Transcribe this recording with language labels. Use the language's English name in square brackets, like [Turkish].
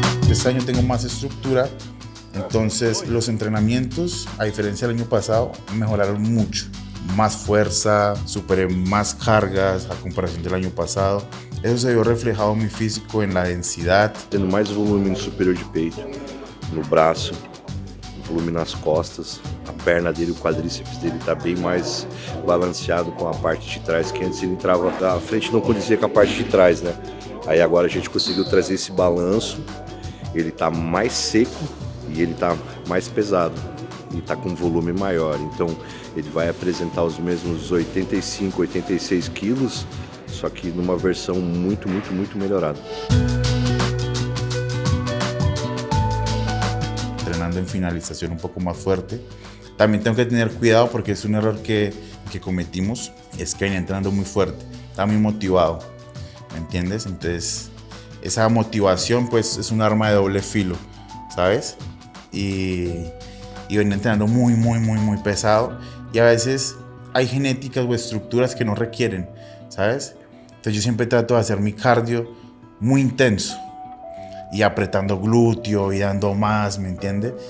[Spanish] Este año tengo más estructura. Entonces, los entrenamientos, a diferencia del año pasado, mejoraron mucho. Más fuerza, superé más cargas a comparación del año pasado. Eso se vio reflejado en mi físico, en la densidad. [Portuguese] Tendo [Spanish] más volumen superior [Portuguese] de peito, no brazo, volumen nas costas, a perna dele, o quadríceps dele está bem mais balanceado com a parte de trás, que antes ele entrava da frente, não condizia com a parte de trás, né? Aí agora a gente conseguiu trazer esse balanço, ele está mais seco, e ele está mais pesado, ele está com volume maior, então ele vai apresentar os mesmos 85, 86 quilos, só que numa versão muito, muito, muito melhorada. Treinando em finalização um pouco mais forte, também tenho que ter cuidado porque é um erro que cometimos, é que venha entrando muito forte, está muito motivado, [Spanish] ¿me entiendes? [Portuguese] Então, essa motivação, pues, é um arma de [Spanish] doble filo, ¿sabes? Y venía entrenando muy, muy, muy, muy pesado. Y a veces hay genéticas o estructuras que no requieren, ¿sabes? Entonces yo siempre trato de hacer mi cardio muy intenso y apretando glúteo y dando más, ¿me entiendes?